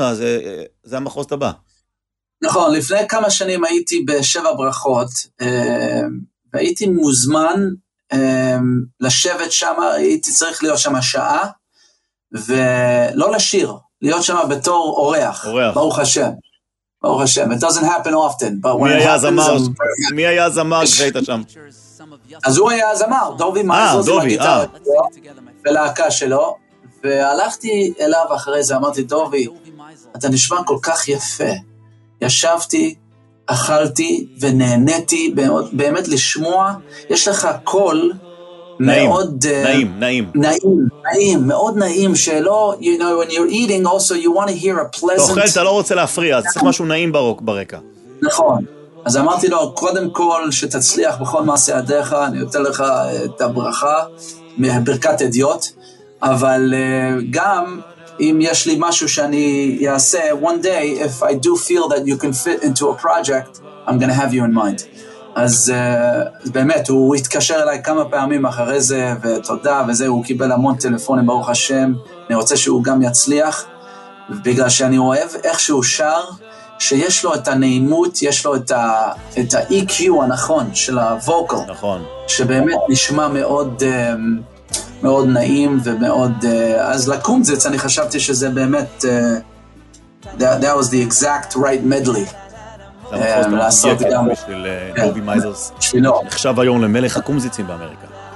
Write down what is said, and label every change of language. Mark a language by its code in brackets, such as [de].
[he] אז זה המחוזת הבאה. נכון, לפני כמה שנים הייתי בשבע ברכות, והייתי מוזמן לשבת שם, הייתי צריך להיות שם שעה, ולא לשיר, להיות שם בתור אורח. אורח. ברוך השם. ברוך השם, [en] it doesn't happen often, but when it [he] happens... מי היה זמר כשהיית שם? אז הוא היה זמר, דובי מייזלס. דובי, בלהקה שלו, והלכתי אליו אחרי זה, אמרתי, דובי, אתה נשמע כל כך יפה. ישבתי, אכלתי ונהניתי באמת לשמוע, יש לך קול נעים, מאוד... נעים, נעים. נעים, מאוד נעים, שלא, [en] you know, when you're eating also, you want to hear a pleasant... [he] אתה אוכל, אתה לא רוצה להפריע, אז צריך משהו נעים ברוק ברקע. נכון. אז אמרתי לו, קודם כל, שתצליח בכל מעשי הדרך, אני אתן לך את הברכה. מברכת אדיוט, אבל גם אם יש לי משהו שאני אעשה [en] one day, if I do feel that you can fit into a project, I'm gonna have you in mind. [he] אז באמת, הוא התקשר אליי כמה פעמים אחרי זה, ותודה, וזה, הוא קיבל המון טלפונים, ברוך השם, אני רוצה שהוא גם יצליח, בגלל שאני אוהב איך שהוא שר, שיש לו את הנעימות, יש לו את ה-EQ הנכון של הווקל. נכון. שבאמת נשמע מאוד, מאוד נעים ומאוד... אז לקומצץ, אני חשבתי שזה באמת... [en] that was the exact right medley. [he] לעשות גם... של דובי מייזלס. שלא. נחשב היום למלך הקומצצים באמריקה.